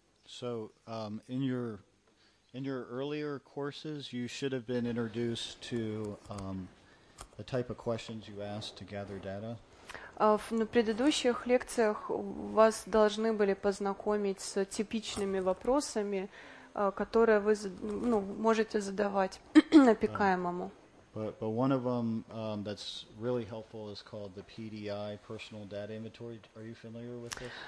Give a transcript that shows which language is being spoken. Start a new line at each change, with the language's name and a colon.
English: So in your earlier courses, you should have been introduced to the type of questions you asked to gather data.
Russian: На предыдущих лекциях вас должны были познакомить с типичными вопросами, которые вы ну, можете задавать опекаемому.
English: But one of them that's really helpful is called the PDI, Personal Data Inventory. Are you familiar with this?